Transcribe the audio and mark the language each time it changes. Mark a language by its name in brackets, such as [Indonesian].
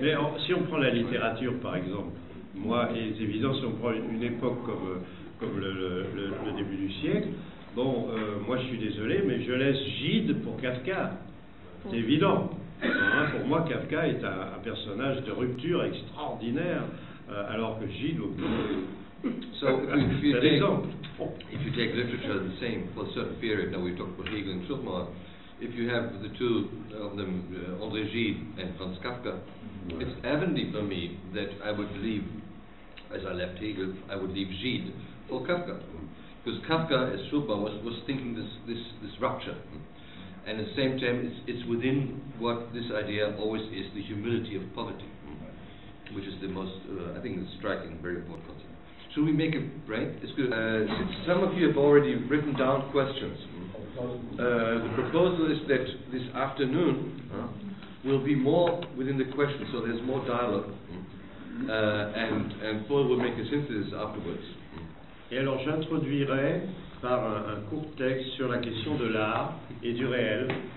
[French] Mais si on prend la littérature, par exemple, moi, il est évident, si on prend une époque comme le début du siècle, bon, moi je suis désolé, mais je laisse Gide pour Kafka. C'est évident. Hein, pour moi, Kafka est un personnage de rupture extraordinaire, alors que Gide, au bout. [English] So if you take literature the same for a certain period, now we talk about Hegel and Schopenhauer, if you have the two of them, André Gide and Franz Kafka, right. It's evident for me that I would leave, as I left Hegel, I would leave Gide for Kafka. Because Kafka, as Schopenhauer, was thinking this rupture. And at the same time, it's within what this idea always is, the humility of poverty, which is the most, I think, the striking, very important concept. Should we make a break? It's good. Some of you have already written down questions. The proposal is that this afternoon will be more within the questions, so there's more dialogue. And Paul will make a synthesis afterwards. [French] Et alors j'introduirai par un court texte sur la question de l'art et du réel.